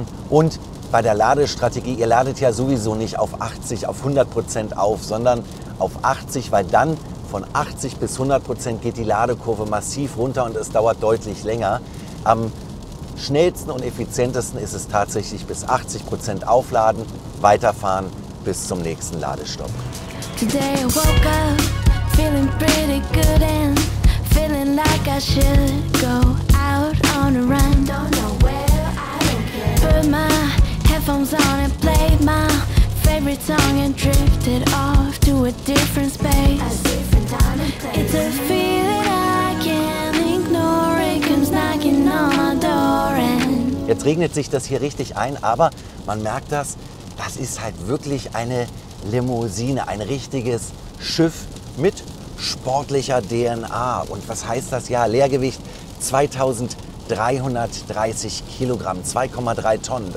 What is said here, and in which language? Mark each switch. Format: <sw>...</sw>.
<de>Und bei der Ladestrategie, ihr ladet ja sowieso nicht auf 80, auf 100% auf, sondern auf 80, weil dann von 80 bis 100% geht die Ladekurve massiv runter und es dauert deutlich länger. Am schnellsten und effizientesten ist es tatsächlich bis 80% aufladen, weiterfahren bis zum nächsten Ladestopp.</de> <en>Today I woke up feeling pretty good and feeling like I should go out on a run. Don't know where, I don't care. Put my headphones on and played my favorite song and drifted off to a different space. It's a feeling I can't ignore. It comes knocking on my door.</en> <de>Jetzt regnet sich das hier richtig ein, aber man merkt das, das ist halt wirklich eine Limousine, ein richtiges Schiff mit sportlicher DNA. Und was heißt das? Ja, Leergewicht 2330 Kilogramm, 2,3 Tonnen.</de>